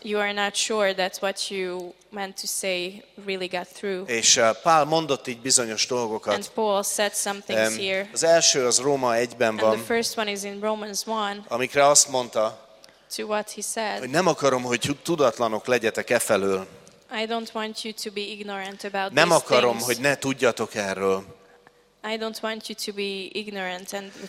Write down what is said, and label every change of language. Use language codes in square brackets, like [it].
[en] You are not sure that what you meant to say really got through. [hu] És Pál mondott így bizonyos dolgokat. [en] And Paul said some things here. [hu] Az első az Róma 1-ben van. [en] And the first one is in Romans 1. [hu] Amikre azt mondta, [en] to what he said. [hu] Hogy nem akarom, hogy tudatlanok legyetek e felől. [en] I don't want you to be ignorant about [hu] nem akarom, [en] things. [hu] Hogy ne tudjatok erről. [en] I don't want you to be ignorant and you